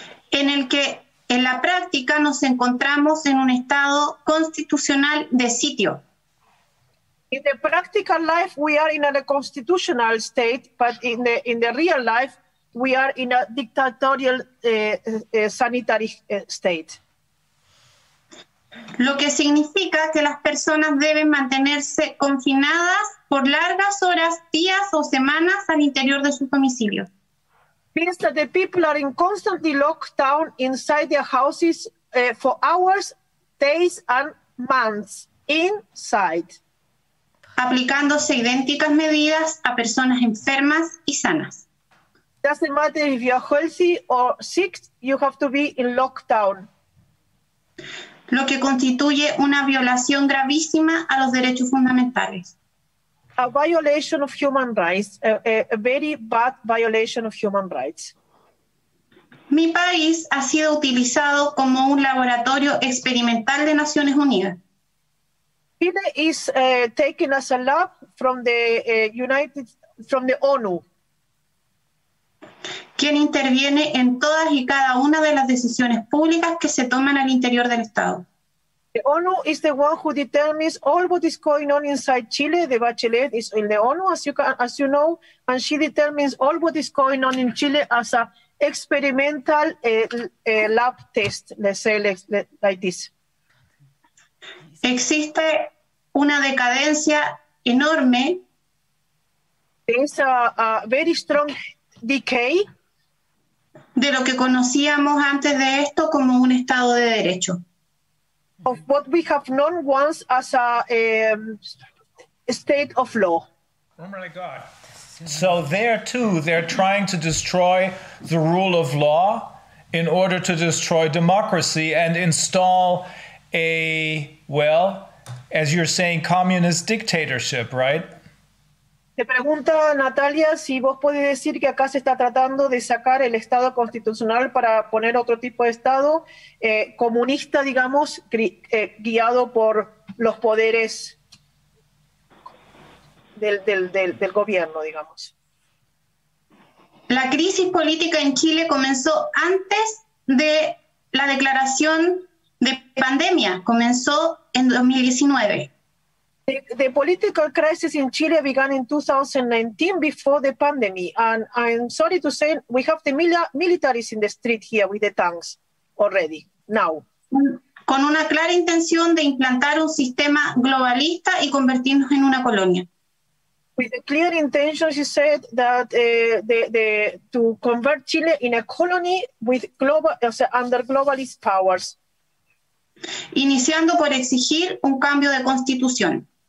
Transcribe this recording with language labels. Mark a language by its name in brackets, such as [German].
[Spanish] En el que en la práctica nos encontramos en un estado constitucional de sitio. [English] In the practical life, we are in a constitutional state, but in the real life, we are in a dictatorial sanitary state. [Spanish] Lo que significa que las personas deben mantenerse confinadas por largas horas, días o semanas al interior de su domicilio. [English] Means that the people are in constantly locked down inside their houses for hours, days and months inside. [Spanish] Aplicándose idénticas medidas a personas enfermas y sanas. [English] Doesn't matter if you're healthy or sick, you have to be in lockdown. [Spanish] Lo que constituye una violación gravísima a los derechos fundamentales. [English] A violation of human rights, a very bad violation of human rights. [Spanish] Mi país ha sido utilizado como un laboratorio experimental de Naciones Unidas. [English] Chile is taken as a lab from the United, from the ONU. [Spanish] Quien interviene en todas y cada una de las decisiones públicas que se toman al interior del Estado. [English] The ONU is the one who determines all what is going on inside Chile. The Bachelet is in the ONU, as you know, and she determines all what is going on in Chile as an experimental lab test, let's say like this. [Spanish] Existe una decadencia enorme. Es [English] a very strong decay [Spanish] de lo que conocíamos antes de esto como un estado de derecho. [English] Of what we have known once as a state of law. Oh my God. So there too, they're trying to destroy the rule of law in order to destroy democracy and install a, well, as you're saying, communist dictatorship, right? [Spanish] Te pregunta Natalia si vos podés decir que acá se está tratando de sacar el Estado constitucional para poner otro tipo de Estado comunista, digamos, guiado por los poderes del gobierno, digamos. La crisis política en Chile comenzó antes de la declaración de pandemia, comenzó en 2019. [English] The political crisis in Chile began in 2019 before the pandemic. And I'm sorry to say, we have the militaries in the street here with the tanks already, now. [Spanish] Con una clara intención de implantar un sistema globalista y convertirnos en una colonia. [English] With a clear intention, she said that to convert Chile in a colony with global, under globalist powers. [Spanish] Iniciando por exigir un cambio de constitución.